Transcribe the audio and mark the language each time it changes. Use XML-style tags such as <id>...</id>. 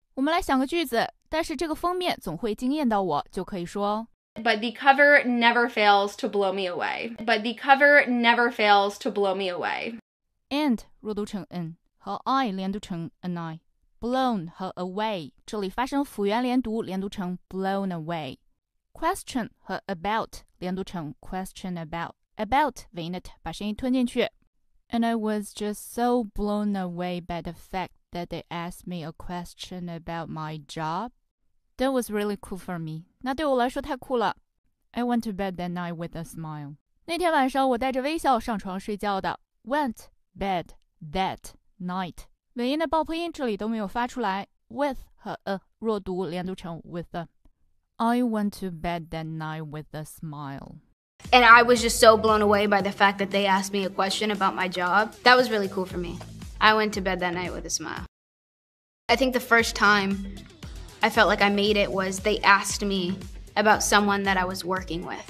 <zh>我们来想个句子，但是这个封面总会惊艳到我，就可以说</zh> <en>But the cover never fails to blow me away. But the cover never fails to blow me away.</en> <zh>And 弱读成 n, 和 I 连读成 an I. Blown 和 away, 这里发生辅元连读，连读成 blown away. Question 和 about 连读成 question about. About, 尾音 it, 把声音吞进去。</zh> <en>And I was just so blown away by the fact that they asked me a question about my job. That was really cool for me.</en> <zh>那对我来说太酷了。</zh> <en>I went to bed that night with a smile.</en> <zh>那天晚上我带着微笑上床睡觉的。</zh> <en>Went, bed, that, night.</en> <zh>尾音的爆破音这里都没有发出来。 With 和 a, 弱读连读成 with a.</zh> <en>I went to bed that night with a smile. And I was just so blown away by the fact that they asked me a question about my job. That was really cool for me. I went to bed that night with a smile. I think the first time I felt like I made it was they asked me about someone that I was working with.</en>